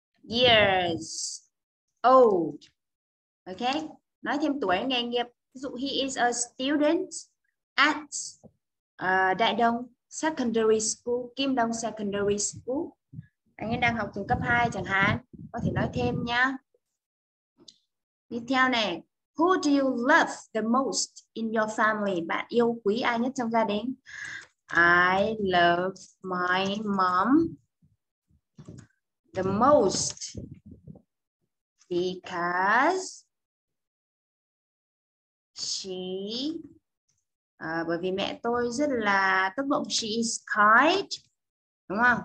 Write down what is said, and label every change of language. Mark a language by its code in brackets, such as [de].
[en] Years old. Okay? [vi] Nói thêm tuổi nghề nghiệp. Ví dụ [en] he is a student at Đại Đông Secondary School, Kim Đông Secondary School. [vi] Anh ấy đang học trường cấp 2 chẳng hạn, có thể nói thêm nhá. Tiếp theo này, [en] who do you love the most in your family? [vi] Bạn yêu quý ai nhất trong gia đình? [en] I love my mom the most because she [vi] bởi vì mẹ tôi rất là tốt bụng, [en] she is kind, [vi] đúng không?